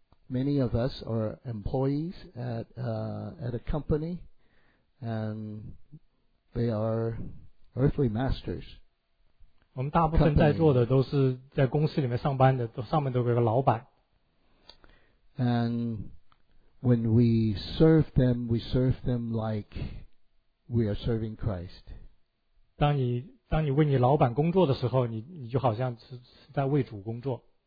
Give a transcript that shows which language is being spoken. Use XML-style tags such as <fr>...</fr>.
<en>Many of us are employees at a company, and they are earthly masters.</en> <zh>我们大部分在座的都是在公司里面上班的，都上面都有个老板。</zh> <en>And when we serve them, we serve them like we are serving Christ.</en> <zh>当你为你老板工作的时候，你就好像是在为主工作。</zh>